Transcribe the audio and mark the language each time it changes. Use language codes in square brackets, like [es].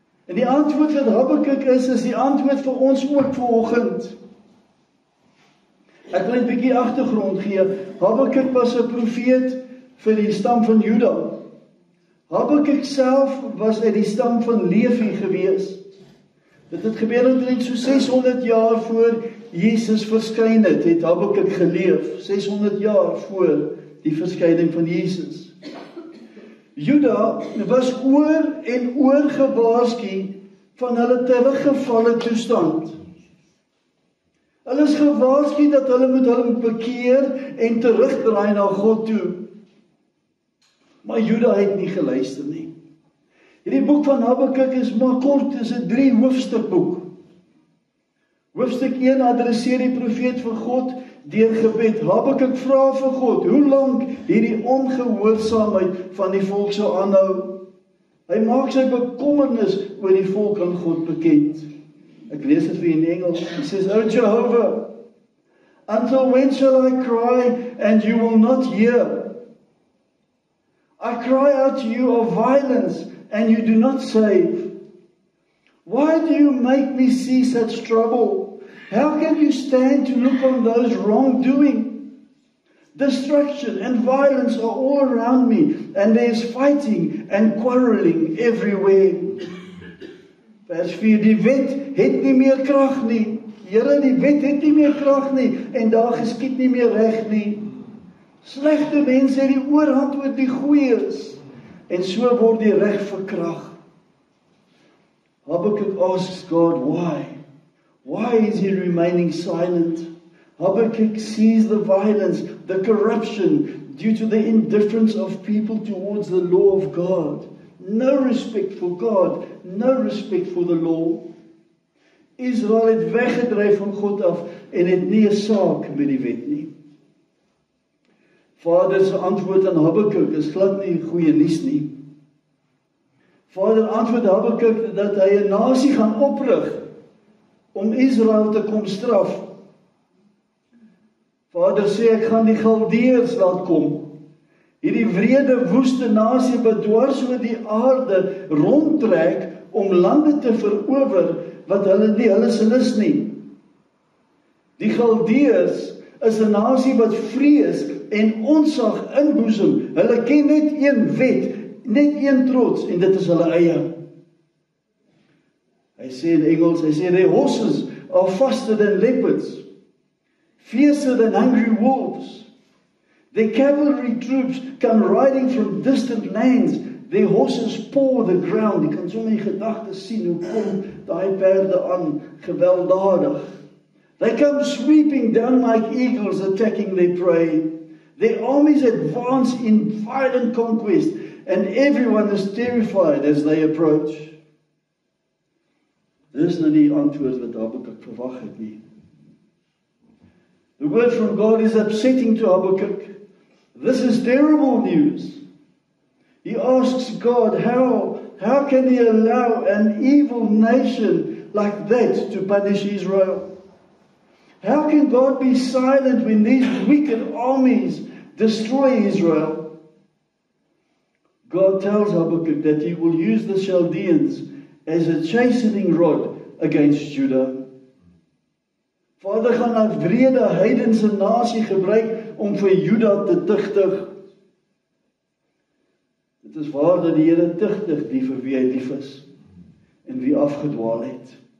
[af] En die antwoord wat Habakuk is, is die antwoord vir ons ook vanoggend. Ek wil net 'n bietjie agtergrond gee. Habakuk was 'n profeet vir die stam van Juda. Habakuk self was uit die stam van Levi gewees. Dit het gebeur omtrent so 600 jaar voor Jesus verskyn het, het Habakuk geleef, 600 jaar voor die verskyning van Jesus. Juda was oor en oor gewaarsku van hulle teruggevalle toestand. Hulle is gewaarsku dat hulle moet hulle bekeer en terugdraai na God toe. Maar Juda het nie geluister nie. Hierdie boek van Habakuk is maar kort, is 'n 3 hoofstuk boek. Hoofstuk 1 adresseer die profeet vir God deur gebed. Habakuk vra vir God, hoe lank hierdie ongehoorsaamheid van die volk sou aanhou? Hy maak sy bekommernis oor die volk aan God bekend. Ek lees dit vir in Engels. [en] He says, O Jehovah, until when shall I cry and you will not hear? I cry out to you of violence and you do not save. Why do you make me see such trouble? How can you stand to look on those wrongdoing? Destruction and violence are all around me, and there is fighting and quarreling everywhere. [af] Vers 4, die wet het nie meer krag nie. Here, die wet het nie meer krag nie, en daar geskiet nie meer reg nie. Slegte mense het die oorhand oor die goeies, en so word die reg verkrag. [en] Habakkuk asks God, why? Why is he remaining silent? Habakkuk sees the violence, the corruption due to the indifference of people towards the law of God. No respect for God, no respect for the law. [af] Israel het weggedryf van God af en het nie 'n saak met die wet nie. Vader se antwoord aan Habakkuk is glad nie goeie nuus nie. Vader antwoord Habakkuk dat hy 'n nasie gaan oprig om Israel te kom straf. Vader sê, ek gaan die Galdeërs laat kom. Hierdie wrede woeste nasie wat dwars oor die aarde rondtrek om lande te verower wat hulle nie hulle se is nie. Die Galdeërs is 'n nasie wat vrees en onsag inboesem. Hulle ken net een wet, net een trots en dit is hulle eie. Hy sê in Engels, hy sê, [en] their horses are faster than leopards, fiercer than hungry wolves. Their cavalry troops come riding from distant lands. Their horses paw the ground. [af] Jy kan so my gedagtes sien, hoe kom daai perde aan, gewelddadig. [en] They come sweeping down like eagles attacking their prey. Their armies advance in violent conquest, and everyone is terrified as they approach. [af] Dit is nou nie die antwoord wat Habakuk verwag het nie. [en] The word from God is upsetting to Habakuk. This is terrible news. He asks God, how can he allow an evil nation like that to punish Israel? How can God be silent when these wicked armies destroy Israel? God tells Habakkuk that he will use the Chaldeans as a chastening rod against Judah. [af] Vader gaan 'n wrede heidense nasie gebruik om vir Judah te tuchtig. Dit is waar dat die Here tuchtig die vir wie hy lief is en wie afgedwaal het.